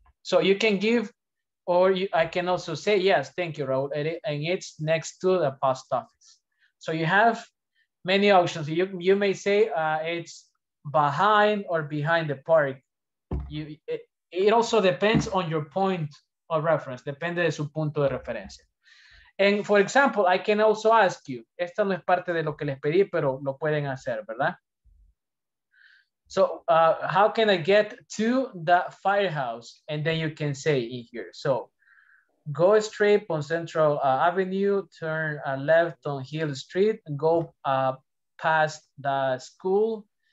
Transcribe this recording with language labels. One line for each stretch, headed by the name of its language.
English: So you can give, or I can also say, yes, thank you, Raul, and it's next to the post office. So you have many options. You may say it's behind or behind the park. It also depends on your point of reference.
Spanish: Depende de su punto de referencia.
English: And for example, I can also ask you.
Spanish: Esta no es parte de lo que les pedí, pero lo pueden hacer, ¿verdad?
English: So how can I get to the firehouse? And then you can say in here. So go straight on Central Avenue, turn left on Hill Street, and go past the school.